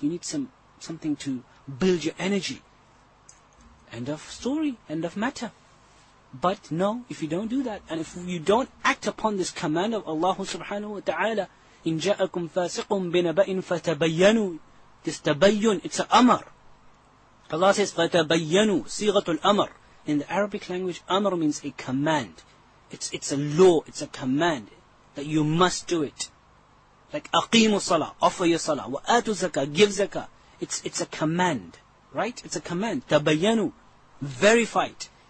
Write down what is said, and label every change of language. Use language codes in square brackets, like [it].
[en] You need something to build your energy. End of story. End of matter. But no, if you don't do that, and if you don't act upon this command of Allah subhanahu wa ta'ala, [ar] إِن جَاءَكُمْ فَاسِقٌ بِنَبَئٍ فَتَبَيَّنُوا. [en] This tabayyun, it's an amr. Allah says, [ar] فَتَبَيَّنُوا صِيغَةُ الْأَمَرِ. [en] In the Arabic language, amr means a command. It's a law, it's a command that you must do it. Like, أَقِيمُ salah, offer your salah. وَآتُ zakah, give zakah. It's a command, right? It's a command. تَبَيَّنُوا, verify it.